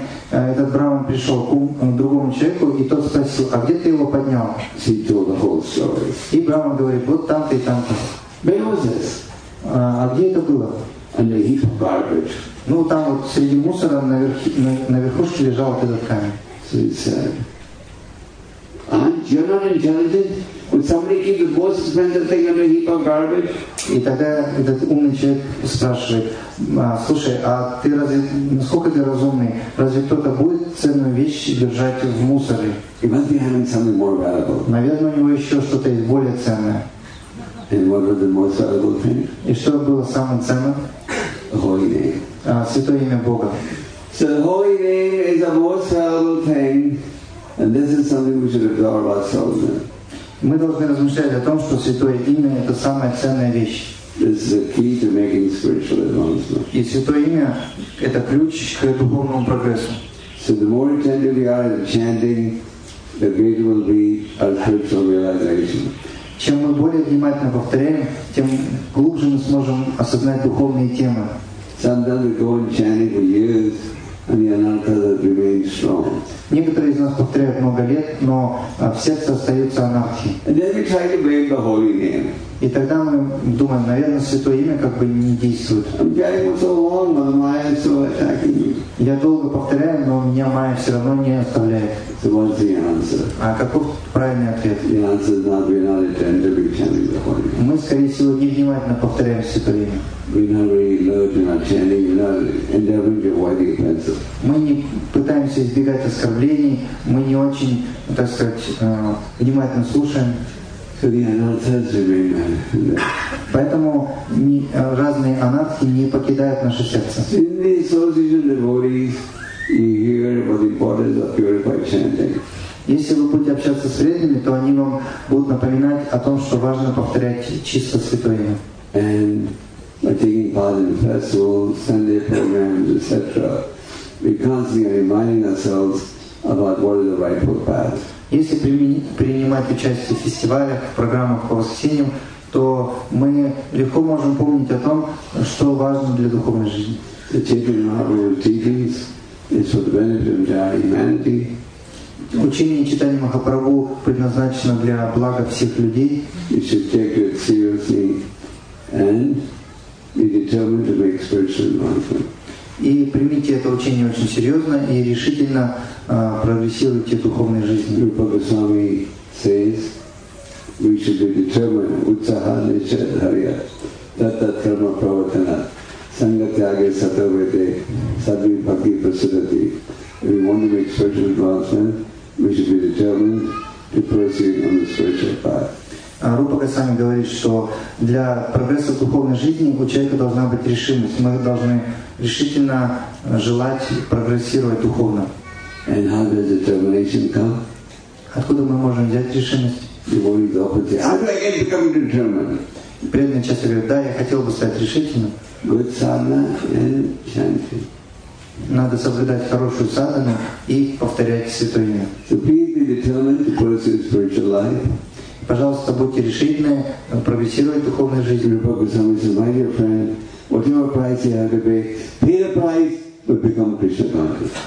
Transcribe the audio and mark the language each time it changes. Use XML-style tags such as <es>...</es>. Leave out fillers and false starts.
<ru>Этот Браман пришел к другому человеку, и тот спросил, а где ты его поднял?</ru> <en>He told the whole story.</en> <ru>И Браман говорит, вот там-то и там-то.</ru> <en>Where was this?</en> <ru>А где это было?</ru> <en>And the heap of garbage.</en> <ru>Ну, там вот среди мусора на верхушке лежал вот этот камень.</ru> <en>So he said, aren't you not intelligent? Would somebody keep the most expensive thing in a heap of garbage?</en> <ru>И тогда этот умный человек спрашивает, слушай, а ты разве, насколько ты разумный? Разве кто-то будет ценную вещь держать в мусоре?</ru> <en>He must be having something more valuable.</en> <ru>Наверное, у него еще что-то есть более ценное.</ru> <en>And what was the most valuable thing?</en> <ru>И что было самым ценным?</ru> <en>Holy name.</en> <ru>Святое имя Бога.</ru> <en>So the holy name is the most valuable thing, and this is something we should absorb ourselves in.</en> <ru>Мы должны размышлять о том, что святое имя — это самая ценная вещь.</ru> <en>This is the key to making spiritual advancement.</en> <ru>И святое имя — это ключ к духовному прогрессу.</ru> <en>So the more attentive we are in chanting, the greater will be our spiritual realization.</en> <ru>Чем мы более внимательно повторяем, тем глубже мы сможем осознать духовные темы.</ru> <en>Sometimes we go on chanting for years, and the anarthas remain strong.</en> <ru>Некоторые из нас повторяют много лет, но в сердце остаются анархи.</ru> <en>And then we try to blame the holy name.</en> <ru>И тогда мы думаем, наверное, святое имя как бы не действует.</ru> <en>I'm chanting so long, but the Maya is still attacking me.</en> <ru>Я долго повторяю, но меня Майя все равно не оставляет.</ru> <en>So what's the answer?</en> <ru>А каков правильный ответ?</ru> <en>The answer is not, we're not attentively chanting the holy name.</en> <ru>Мы, скорее всего, не внимательно повторяем святое имя.</ru> <en>We're not very alert in our chanting, we're not endeavoring to avoid the offensive.</en> <ru>Мы не пытаемся избегать оскорблений, мы не очень, так сказать, внимательно слушаем.</ru> <en>So the anarthas remain in there.</en> <ru>Поэтому разные анархи не покидают наше сердце.</ru> <en>In the association devotees, you hear about the importance of purified chanting.</en> <ru>Если вы будете общаться с преданными, то они вам будут напоминать о том, что важно повторять чисто святое имя.</ru> <en>And by taking part in festivals, Sunday programs, etc., we constantly are reminding ourselves about what is the rightful path.</en> <ru>Если принимать участие в фестивалях, в программах по воскресеньям, то мы легко можем помнить о том, что важно для духовной жизни.</ru> <en>The teaching of our teachings is for the benefit of entire humanity.</en> <ru>Учение и читание Махапрабху предназначено для блага всех людей.</ru> <en>You should take it seriously and be determined to make spiritual advancement.</en> <ru>И примите это учение очень серьезно и решительно прогрессируйте в духовной жизни.</ru> <en>Rupa Goswami says, we should be determined,</en> <sa>utsaha nishad harya, tatat karma pravatana, sangatyage satavete, sadvi bhakti prasadati.</sa> <en>If we want to make spiritual advancement, we should be determined to proceed on the spiritual path.</en> <ru>Рупа Госвами говорит, что для прогресса в духовной жизни у человека должна быть решимость. Мы должны решительно желать прогрессировать духовно.</ru> <en>And how does determination come?</en> <ru>Откуда мы можем взять решимость?</ru> <en>How do I get become determined?</en> <ru>Преданный часто говорит, да, я хотел бы стать решительным.</ru> <en>Good sadhana and chanting.</en> <ru>Надо соблюдать хорошую садхану и повторять святое имя.</ru> <en>So please be determined to pursue spiritual life.</en> <ru>Пожалуйста, будьте решительны прогрессировать в духовной жизни.</ru> <en>Rupa Goswami says, my dear friend, whatever price you have to pay, pay the price, but become a Krishna conscious.</en>